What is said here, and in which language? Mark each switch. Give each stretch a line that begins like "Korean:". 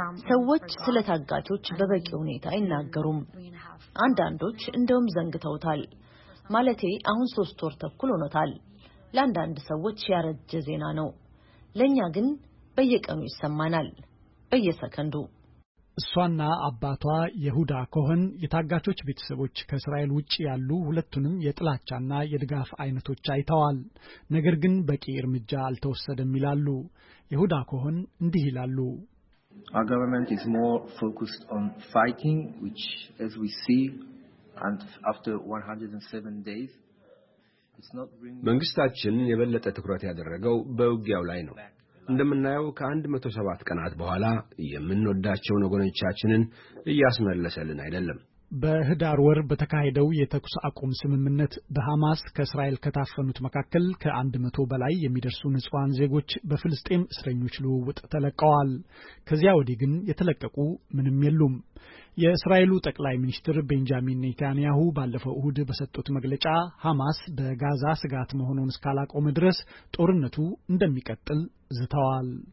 Amharic: ሰዎች ስለታጋቾች በበቂ ሁኔታ አይናገሩም። አንዳንዶች እንደውም ዘንግተውታል። ማለቴ አሁን 3 ወር ተኩል ሆኖታል። ለአንዳንድ ሰዎች ያረጀ ዜና ነው። ለኛ ግን በየቀኑ ይሰማናል። በየሰከንዱ ሷና አባቷ ይሁዳ ኮህን የታጋቾች ቤተሰቦች ከእስራኤል ውጪ ያሉ ሁለቱንም የጥላቻና የድጋፍ አይነቶች አይተዋል። ነገር ግን በቂ እርምጃ አልተወሰደም ይላሉ። ይሁዳ ኮህን እንዲህ ይላሉ።
English: Our government is more focused on fighting, which as we see and after 107 days it's not bringing
Amharic: መንግስታችን የበለጠ ትኩረት ያደረገው በውጊያው ላይ ነው። እንደምናየው ከ107 ቀናት በኋላ የምንወዳቸው ወገኖቻችንን እያስመለሰልን አይደለም። በህዳር ወር በተካሄደው የተኩስ አቁም ስምምነት በሐማስ ከእስራኤል ከታፈኑት መካከል ከ100 በላይ የሚደርሱ ንጹሃን ዜጎች በፍልስጤም እስረኞች ልውውጥ ተለቀዋል። ከዚያ ወዲህ ግን የተለቀቁ ምንም የሉም። የእስራኤሉ ጠቅላይ ሚኒስትር ቤንጃሚን ኔታንያሁ ባለፈው እሁድ በሰጡት መግለጫ ሐማስ በጋዛ ስጋት መሆኑን እስካላቆመ ድረስ ጦርነቱ እንደሚቀጥል ዝተዋል።